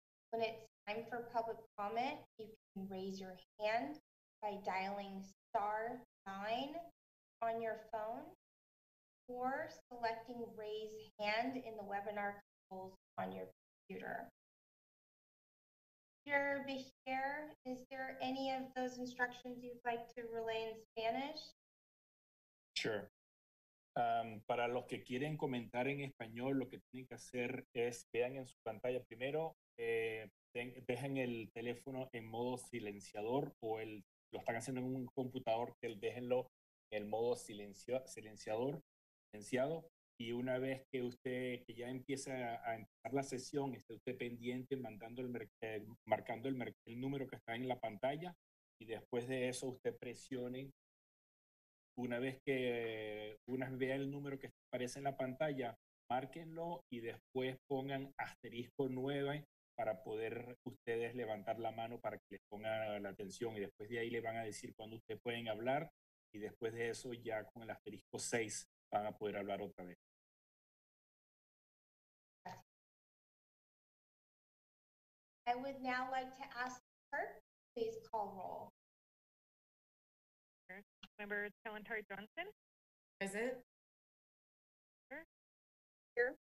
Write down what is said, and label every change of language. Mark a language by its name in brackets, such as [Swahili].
[English] When it's time for public comment, you can raise your hand by dialing *9 on your phone or selecting raise hand in the webinar controls on your computer. Dear Bahir, is there any of those instructions you'd like to relay in Spanish? Sure. [Spanish] Para los que quieren comentar en español, lo que tienen que hacer es vean en su pantalla primero. Dejen el teléfono en modo silenciador o lo están haciendo en un computador, que déjenlo en el modo silenciado. Y una vez que usted que ya empieza a empezar la sesión, esté usted pendiente marcando el número que está en la pantalla, y después de eso usted presione. Una vez que vea el número que aparece en la pantalla, márquenlo y después pongan *9 para poder ustedes levantar la mano para que les ponga la atención, y después de ahí le van a decir cuándo ustedes pueden hablar, y después de eso ya con el *6 van a poder hablar otra vez. [English] I would now like to ask Kirk, please call roll. Member Talantari Johnson. Is it? Here.